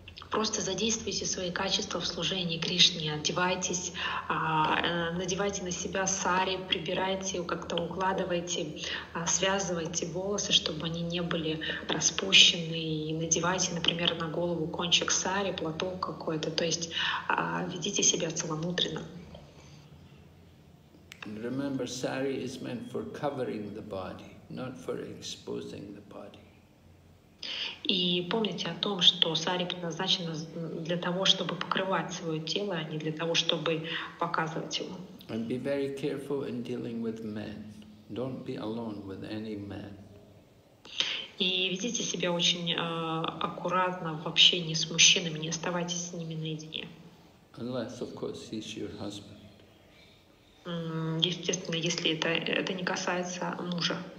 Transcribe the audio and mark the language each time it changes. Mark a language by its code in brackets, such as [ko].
[ru] Просто задействуйте свои качества в служении Кришне, одевайтесь, надевайте на себя сари, прибирайте, как-то укладывайте, связывайте волосы, чтобы они не были распущены, и надевайте, например, на голову кончик сари, платок какой-то, то есть ведите себя целомудренно. [en] Remember, sari is meant for covering the body, not for exposing the body. [ru] И помните о том, что сари предназначена для того, чтобы покрывать свое тело, а не для того, чтобы показывать его. [en] And be very careful in dealing with men. Don't be alone with any man. [ru] И ведите себя очень аккуратно в общении с мужчинами, не оставайтесь с ними наедине. [en] Unless, of course, he's your husband. [ru] Естественно, если это не касается мужа.